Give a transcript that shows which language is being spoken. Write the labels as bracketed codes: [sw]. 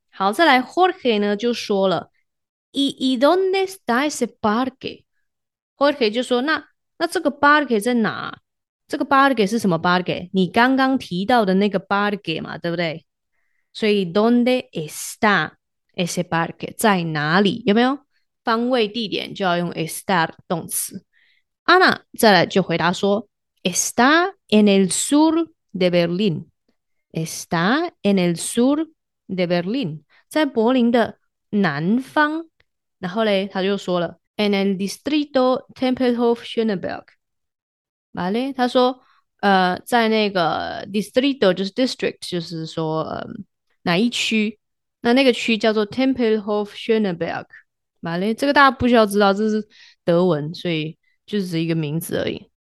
[zh] 好，再来，Jorge 呢就说了， [es] ¿Y dónde está ese parque？ [zh] Jorge 就说，那这个 parque 在哪？这个 parque 是什么 parque？ 你刚刚提到的那个 parque 嘛，对不对？所以 [es] dónde está ese parque [zh] 在哪里？有没有方位地点就要用 estar 动词。 Ana 再来就回答说， [es] está en el sur de Berlín。 Está en el sur de Berlín， [zh] 在柏林的南方。然后嘞，他就说了， [es] en el distrito Tempelhof Schöneberg， [zh] 完嘞，他说，在那个 distrito 就是 district，就是说，哪一区？那个区叫做 Tempelhof Schöneberg，完嘞，这个大家不需要知道，这是德文，所以就是一个名字而已。